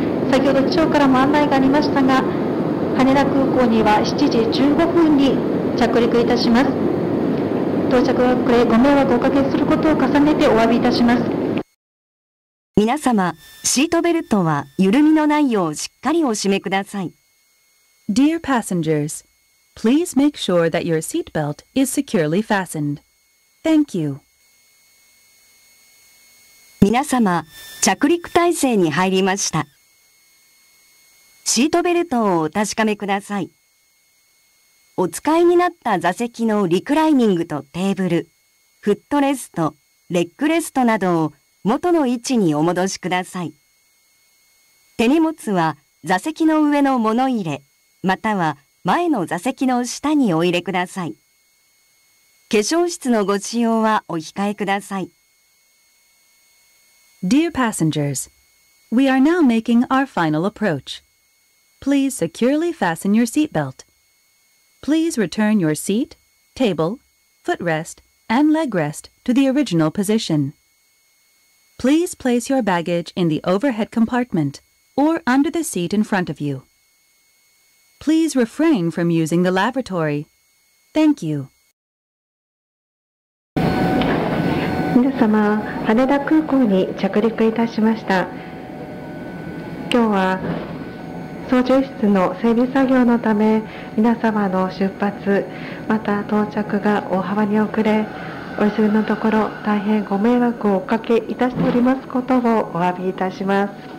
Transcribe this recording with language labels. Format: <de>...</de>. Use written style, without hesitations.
<ja>先ほど機長からも案内がありましたが、羽田空港には7時15分に着陸いたします。到着が遅れ、ご迷惑をおかけすることを重ねてお詫びいたします。皆様、シートベルトは緩みのないようしっかりお締めください。</ja> <en>Dear passengers, please make sure that your seat belt is securely fastened. Thank you.</en> <ja>皆様、着陸態勢に入りました。シートベルトをお確かめください。お使いになった座席のリクライニングとテーブル、フットレスト、レッグレストなどを元の位置にお戻しください。手荷物は座席の上の物入れ、または前の座席の下にお入れください。化粧室のご使用はお控えください。</ja> <en>Dear passengers, we are now making our final approach. Please securely fasten your seat belt. Please return your seat, table, footrest, and legrest to the original position. Please place your baggage in the overhead compartment or under the seat in front of you. Please refrain from using the lavatory. Thank you.</en> <ja>皆様、羽田空港に着陸いたしました。今日は操縦室の整備作業のため、皆様の出発、また到着が大幅に遅れ、お急ぎのところ大変ご迷惑をおかけいたしておりますことをお詫びいたします。</ja>